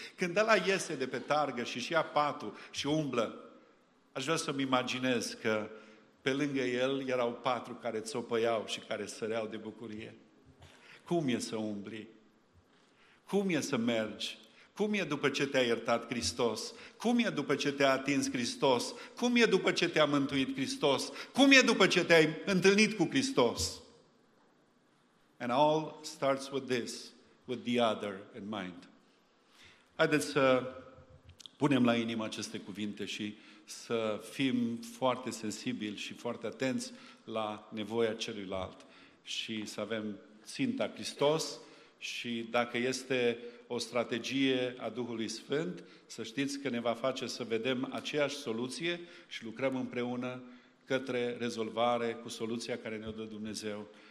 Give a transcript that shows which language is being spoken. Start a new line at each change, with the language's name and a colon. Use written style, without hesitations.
Romanian: Când ăla iese de pe targă și ia patul și umblă, aș vrea să-mi imaginez că pe lângă el erau patru care țopăiau și care săreau de bucurie. Cum e să umbli? Cum e să mergi? Cum e după ce te-a iertat Hristos? Cum e după ce te-a atins Hristos? Cum e după ce te-a mântuit Hristos? Cum e după ce te-ai întâlnit cu Hristos?
English: And all starts with this, with the other in mind.
Romanian: Haideți să punem la inimă aceste cuvinte și să fim foarte sensibili și foarte atenți la nevoia celuilalt și să avem ținta Hristos Și dacă este o strategie a Duhului Sfânt, să știți că ne va face să vedem aceeași soluție și lucrăm împreună către rezolvare cu soluția care ne-o dă Dumnezeu.